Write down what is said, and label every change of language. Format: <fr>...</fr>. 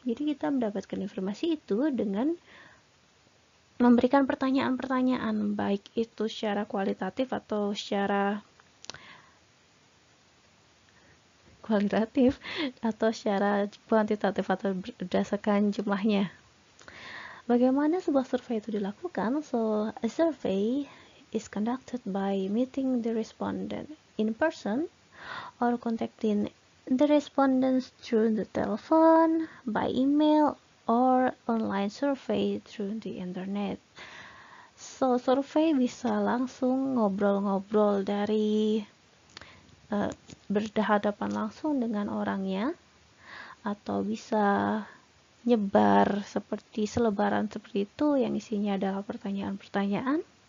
<id>Jadi kita mendapatkan informasi itu dengan memberikan pertanyaan-pertanyaan, baik itu secara kualitatif atau secara kualitatif atau secara kuantitatif atau berdasarkan jumlahnya. Bagaimana sebuah survei itu dilakukan?</id> <en>So, a survey is conducted by meeting the respondent in person or contacting the respondents through the telephone, by email, or online survey through the internet.</en> <id>So, survei bisa langsung ngobrol-ngobrol dari berhadapan langsung dengan orangnya, atau bisa nyebar seperti selebaran seperti itu yang isinya adalah pertanyaan-pertanyaan.</id>